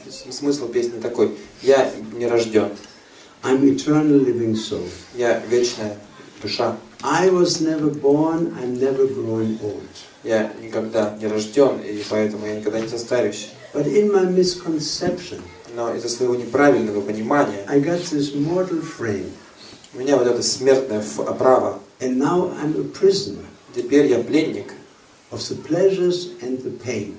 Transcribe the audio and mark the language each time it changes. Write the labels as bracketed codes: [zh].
[ru] Смысл песни такой: я не рожден. [en] I'm eternal living soul. [ru] Я вечная душа. [en] I was never born, I'm never growing old. [ru] Я никогда не рожден, и поэтому я никогда не состарюсь. [en] But in my misconception, [ru] но из-за своего неправильного понимания, [en] I got this mortal frame. [ru] У меня вот эта смертная оправа. [en] And now I'm a prisoner. [ru] Теперь я пленник. [en] Of the pleasures and the pain.